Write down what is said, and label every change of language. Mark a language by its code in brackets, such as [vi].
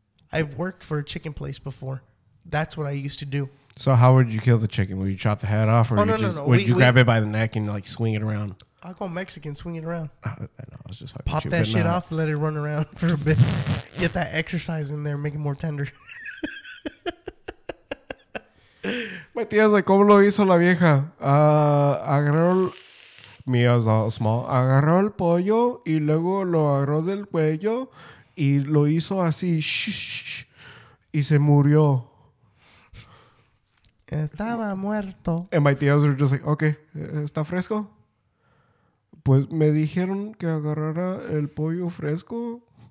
[en] I've worked for a chicken place before. That's what I used to do. So how would you kill the chicken? Would you chop the head off? Grab it by the neck and like swing it around? I'll go Mexican, swing it around. I was just fucking pop that shit off, let it run around for a bit. Get that exercise in there, make it more tender. [es] My tía, ¿cómo lo hizo la vieja? Agarró [en] Mia's all small. [es] Agarró el pollo y luego lo agarró del cuello y lo hizo así. Shh, shh, shh, y se murió. Estaba muerto. [en] And my tías were just like, okay, [es] ¿está fresco? Pues me dijeron que agarrara el pollo fresco.